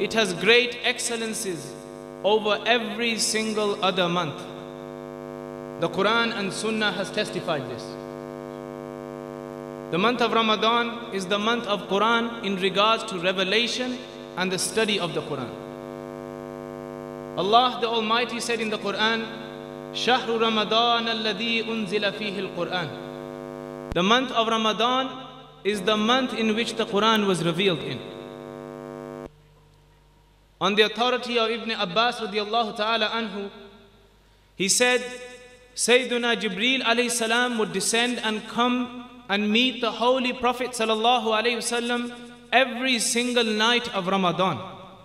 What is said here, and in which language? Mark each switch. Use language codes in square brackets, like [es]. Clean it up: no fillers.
[en] It has great excellences over every single other month. The Quran and Sunnah has testified this. The month of Ramadan is the month of Quran in regards to revelation and the study of the Quran. [ar] Allah the Almighty said in the Quran, شهر رمضان الذي أنزل فيه القرآن. [en] The month of Ramadan is the month in which the Quran was revealed in. On the authority of Ibn Abbas radiallahu ta'ala anhu, he said, Sayyiduna Jibreel alayhi salam would descend and come and meet the Holy Prophet sallallahu alayhi wasallam every single night of Ramadan.